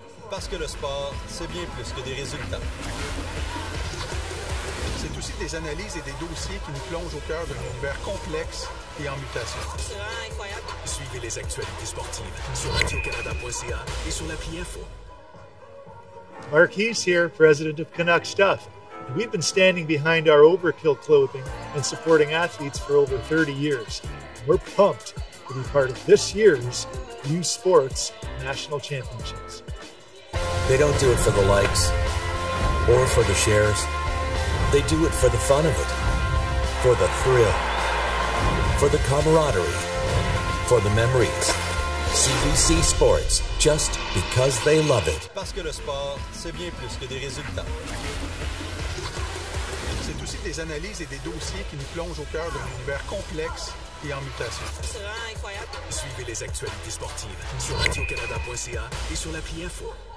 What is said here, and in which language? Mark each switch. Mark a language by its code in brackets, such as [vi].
[fr] Parce que le sport, c'est bien plus que des résultats. C'est aussi des analyses et des dossiers qui nous plongent au cœur d'un univers complexe et en mutation. C'est vraiment incroyable. Suivez les actualités sportives sur radiocanada.ca et sur l'appli Info. [en] Marquise here, president of Canuck Stuff. And we've been standing behind our overkill clothing and supporting athletes for over 30 years. And we're pumped to be part of this year's U Sports National Championships. They don't do it for the likes or for the shares. They do it for the fun of it, for the thrill, for the camaraderie, for the memories. CBC Sports, just because they love it. [fr] Parce que le sport, c'est bien plus que des résultats. C'est aussi des analyses et des dossiers qui nous plongent au cœur d'un univers complexe et en mutation. C'est vraiment incroyable. Suivez les actualités sportives sur radiocanada.ca et sur l'appli Info.